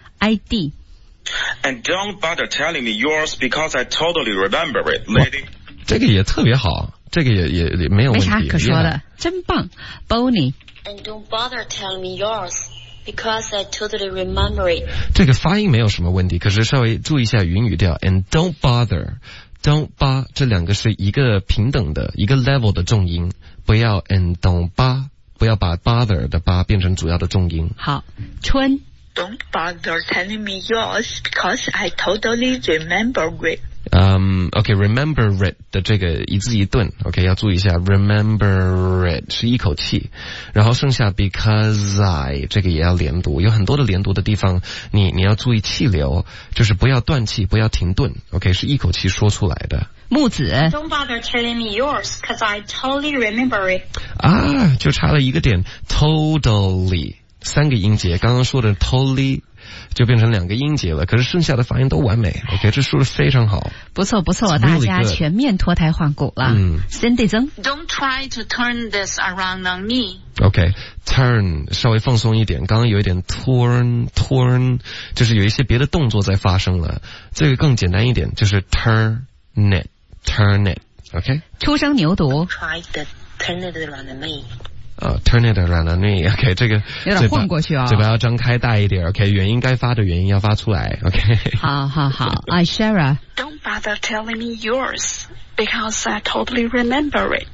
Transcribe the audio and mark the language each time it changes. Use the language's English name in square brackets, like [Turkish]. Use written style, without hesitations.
[English] ID And don't bother telling me yours because I totally remember it, lady [Chinese] 这个也特别好这个也没有问题没啥可说的、 [English] yeah. [Chinese] 真棒 Bonnie [English] And don't bother telling me yoursBecause I totally remember it. [Chinese] 这个发音没有什么问题，可是稍微注意一下云语调。 [English] And don't bother, don't ba, [Chinese] 这两个是一个平等的，一个 level 的重音。不要 [English] and don't ba, [Chinese] 不要把 bother 的 ba 变成主要的重音。好，春。 [English] Don't bother telling me yours because I totally remember it. [Chinese] Okay, [English] remember it [Chinese] 的这个一字一顿 ,okay, 要注意一下 ,remember it, 是一口气。然后剩下 [English] because I, [Chinese] 这个也要连读。有很多的连读的地方你要注意气流就是不要断气不要停顿 ,okay, 是一口气说出来的。木子 [English] Don't bother telling me yours, cause I totally remember it. [Chinese] 啊就差了一个点 ,totally, 三个音节刚刚说的 totally,就变成两个音节了可是剩下的发音都完美 OK 这说的非常好不错不错、 [English] really、 [Chinese] 大家全面脱胎换骨了、嗯、 Cindy 曾 [English] Don't try to turn this around on me [Chinese] OK turn 稍微放松一点刚刚有一点 turn 就是有一些别的动作在发生了这个更简单一点就是 turn it OK 初生牛犊 [English] try to turn it around on me turn it around on me, OK, [Chinese] 这个有点混过去啊、哦。嘴巴要张开大一点 ,OK, 原因该发的原因要发出来 ,OK。好好好 ,Ishara。 [English] Don't bother telling me yours, because I totally remember it.